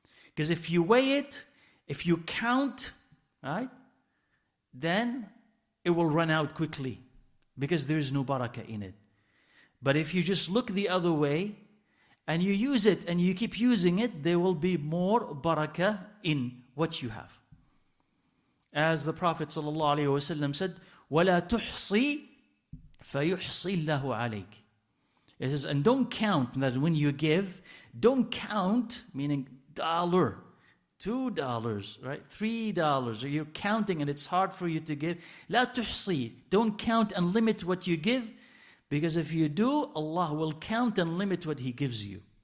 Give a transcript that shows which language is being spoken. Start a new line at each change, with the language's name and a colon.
English: Because if you weigh it, if you count, right, then it will run out quickly because there is no barakah in it. But if you just look the other way and you use it and you keep using it, there will be more barakah in what you have. As the Prophet ﷺ said,
Arabic: وَلَا تُحْصِي فَيُحْصِي اللَّهُ عَلَيْكِ.
English: It says, and don't count, that when you give, don't count, meaning dollar, $2, right? $3. Or you're counting and it's hard for you to give.
Arabic: لا تحصي.
English: Don't count and limit what you give, Because if you do, Allah will count and limit what He gives you.